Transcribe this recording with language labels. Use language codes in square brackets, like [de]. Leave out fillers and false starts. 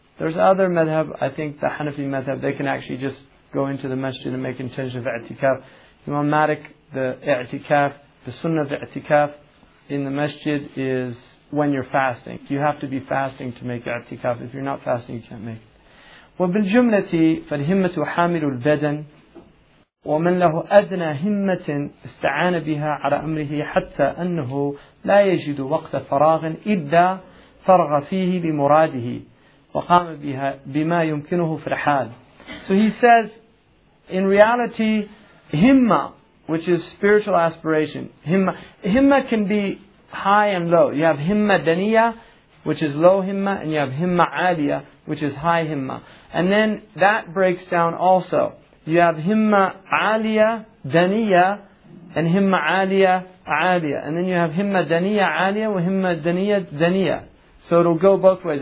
[en] There's other madhab, I think the Hanafi madhab, they can actually just go into the masjid and make intention of i'tikaf. Imam Malik, the i'tikaf, the sunnah of i'tikaf in the masjid is when you're fasting. You have to be fasting to make i'tikaf. If you're not fasting, you can't make it. [ar] وَبِالْ جُمْلَةِ فَالْهِمَّةُ حَامِلُ الْبَدَنِ وَمَنْ لَهُ أَدْنَى هِمَّةٍ اسْتَعَانَ بِهَا عَلَى أَمْرِهِ حَتَّى أَنَّهُ لَا يَجِدُ وَقْتَ فَرَاغٍ إِلَّا فَرْغَ فِيهِ بِمُرَادِهِ وَقَامَ بِهَا بِمَا يُمْكِنُهُ فِي الْحَالِ. [en] So he says, in reality, himma, which is spiritual aspiration, himma can be high and low. You have himma daniya, which is low himma, and you have himma aliya, which is high himma. And then that breaks down also. You have himma aliya daniya, and himma aliya aliya. And then you have himma daniya aliya, and himma daniya daniya. So it'll go both ways.